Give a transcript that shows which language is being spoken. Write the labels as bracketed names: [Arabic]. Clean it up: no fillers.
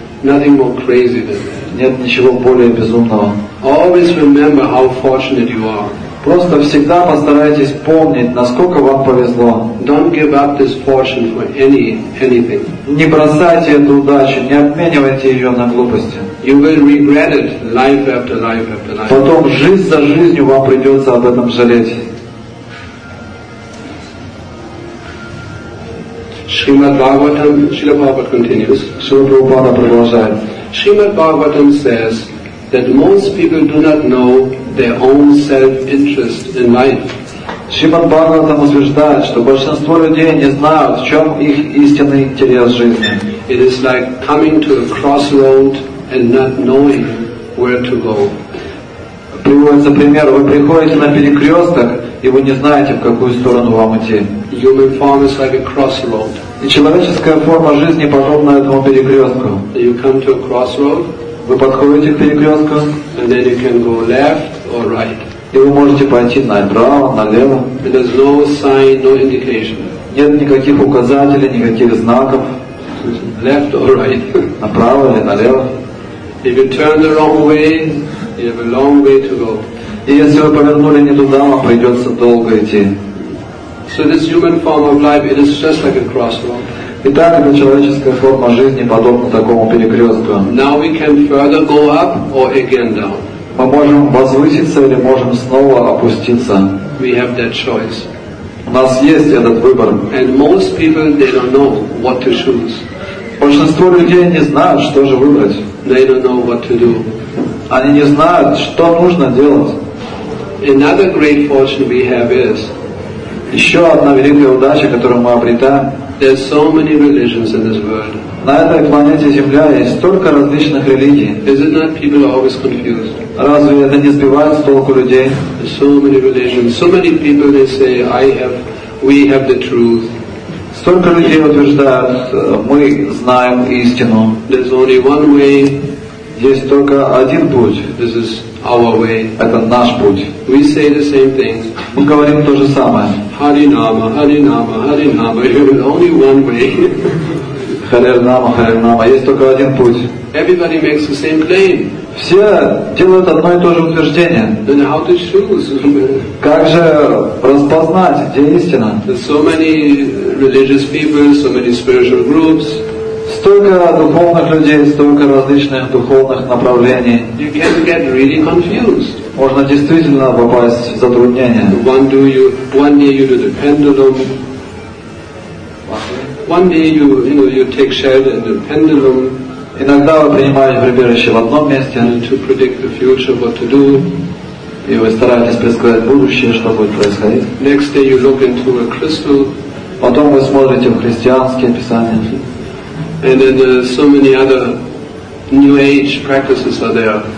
[English] Nothing more crazy than that. [Russian] Нет ничего более безумного. [English] Always remember how fortunate you are. [Russian] Просто всегда постарайтесь помнить, насколько вам повезло. [English] Don't give up this fortune for anything. [Russian] Не бросайте эту удачу, не обменивайте ее на глупости. [English] You will regret it life after life after life. [Russian] Потом жизнь за жизнью вам придется об этом жалеть. [English] Srimad Bhagavatam, Srila Prabhupada continues. [Russian] Srila Prabhupada продолжает. [English] Srimad Bhagavatam says that most people do not know their own self-interest in life. [Russian] Srimad Bhagavatam утверждает, что большинство людей не знают, в чем их истинный интерес жизни. [English] It is like coming to a crossroad and not knowing where to go. [Russian] Приводится пример, вы приходите на перекресток, и вы не знаете, в какую сторону вам идти. [English] Human form is like a crossroad. [Russian] И человеческая форма жизни подобна этому перекрестку. [English] You come to a crossroad, [Russian] вы подходите к перекрестку, [English] and then you can go left or right. [Russian] И вы можете пойти направо, налево. [English] There is no sign, no indication. [Russian] Нет никаких указателей, никаких знаков. [English] Left or right. [Russian] Направо или налево. [English] If you turn the wrong way, you have a long way to go. [Russian] И если вы повернули не туда, вам придется долго идти. [English] So this human form of life, it is just like a crossroad. [Russian] Итак, эта человеческая форма жизни подобна такому перекрестку. [English] Now we can further go up or again down. [Russian] Мы можем возвыситься или можем снова опуститься. [English] We have that choice. [Russian] У нас есть этот выбор. [English] And most people, they don't know what to choose. [Russian] Большинство людей не знают, что же выбрать. [English] They don't know what to do. [Russian] Они не знают, что нужно делать. [English] Another great fortune we have is, [Russian] еще одна великая удача, которую мы обретаем, [English] so many religions in this world. [Russian] На этой планете Земля есть столько различных религий. [English] Is it not people are always confused? [Russian] Разве это не сбивает с толку людей? [English] So many religions, so many people, they say, we have the truth. [Russian] Столько людей утверждают, мы знаем истину. [English] There's only one way. [Russian] Есть только один путь. [English] This is our way. [Russian] Это наш путь. [English] We say the same thing. [Russian] Мы говорим то же самое. [English] Hari Nama, Hari Nama, Hari Nama. There's only one way. [Russian] Hari Nama, Hari Nama. Есть только один путь. [English] Everybody makes the same claim. [Russian] Все делают одно и то же утверждение. [English] Then how to choose? [Russian] Как же распознать, где истина? [English] There's so many religious people, so many spiritual groups. [Russian] Столько духовных людей, столько различных духовных направлений. [English] You can get really confused. [Russian] Можно действительно попасть в затруднение. [English] One day you do the pendulum. One day you take shelter in the pendulum. [Russian] Иногда вы принимаете прибежище в одном месте. [English] To predict the future, what to do. [Russian] И вы стараетесь предсказать будущее, что будет происходить. [English] Next day you look into a crystal. [Russian] Потом вы смотрите в христианские писания. [English] And then so many other New Age practices are there.